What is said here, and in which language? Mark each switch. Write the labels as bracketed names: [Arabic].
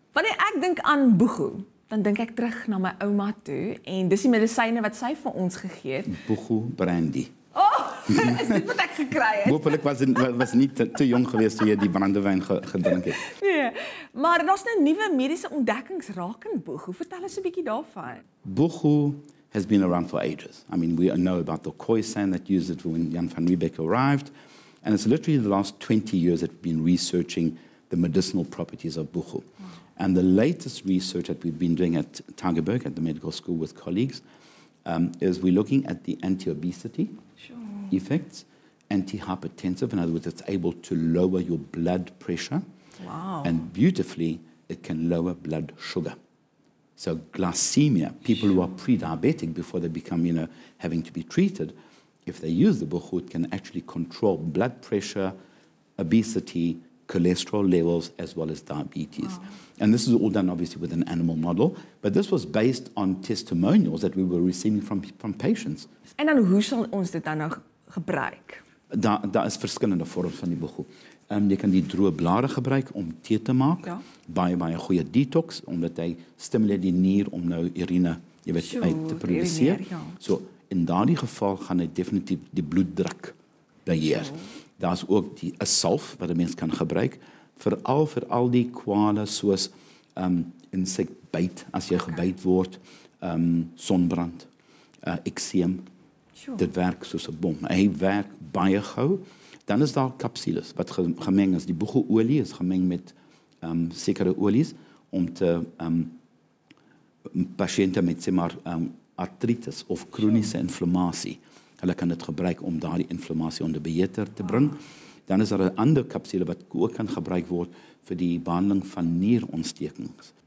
[Afrikaans] Wanneer ek dink aan boegoe, dan dink ek terug na my ouma toe en dis die medisyne wat sy vir ons gegee het. Boegoe brandy. Is dit wat ek gekry het? Hoopelik was nie te jong geweest toe jy die brandewijn gedrink het. Nee, maar daar's nou nuwe mediese ontdekkings rakende boegoe. Vertel ons 'n bietjie daarvan. [English] Boegoe has been around for ages. I mean, we know about the Khoisan that used it when Jan van Riebeeck arrived. And it's literally the last 20 years that we've been researching the medicinal properties of boegoe. And the latest research that we've been doing at Tygerberg, at the medical school with colleagues, is we're looking at the anti-obesity effects, anti-hypertensive, in other words, it's able to lower your blood pressure. Wow. And beautifully, it can lower blood sugar. So glycemia, people who are pre-diabetic before they become, you know, having to be treated, if they use the boegoe, it can actually control blood pressure, obesity, cholesterol levels, as well as diabetes. Wow. And this is all done, obviously, with an animal model. But this was based on testimonials that we were receiving from patients. And then, [Afrikaans] hoe sal ons dit dan nou gebruik? Daar is verskillende vorms van die boegoe. Jy kan die droë blare gebruik om tee te maak. Ja. Baie, baie goeie detox, omdat hy stimuleer die nier om nou urine, jy weet, uit te produseer. Urineer, ja. So, in daardie geval gaan hy definitief die bloeddruk beheer. Daar is ook die salf wat een mens kan gebruik, vooral vir al die kwale soos insekbyt, as jy gebyt word, sonbrand, ekseem. Dit werk soos 'n bom. Hy werk baie gauw. Dan is daar kapsules wat gemeng is. Die boegoeolie is gemeng met sekere olies om te patiënte met sê maar artritis of chroniese inflammasie. Hulle kan dit gebruik om daar die inflammasie onder beheer te bring. Dan is daar 'n ander kapsule wat ook kan gebruik word vir die behandeling van nierontstekings.